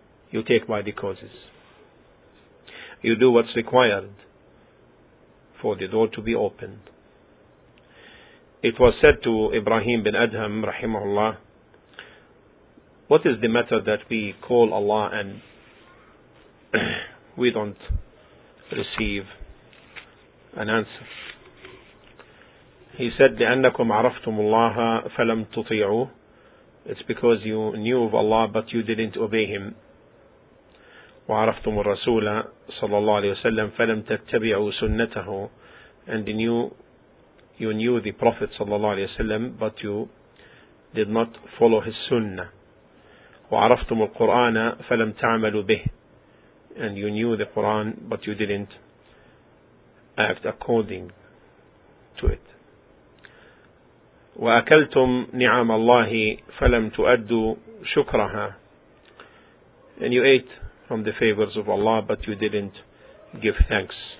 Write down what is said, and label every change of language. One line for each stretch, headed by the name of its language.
English: You do what's required for the door to be opened. It was said to Ibrahim bin Adham, rahimahullah, what is the matter that we call Allah and we don't receive an answer?
Arabic: He said, لأنكم عرفتم الله فلم تطيعوا.
English: It's because you knew of Allah but you didn't obey him.
Arabic: وعرفتم الرسول صلى الله عليه وسلم فلم تتبعوا سنته.
English: And you knew the Prophet
Arabic: صلى الله عليه وسلم
English: but you did not follow his sunnah.
Arabic: وعرفتم القرآن فلم تعملوا به.
English: And you knew the Quran, but you didn't act according to it.
Arabic: وَأَكَلْتُمْ نِعَامَ اللَّهِ فَلَمْ تُؤَدُّوا شُكْرَهَا.
English: And you ate from the favors of Allah, but you didn't give thanks.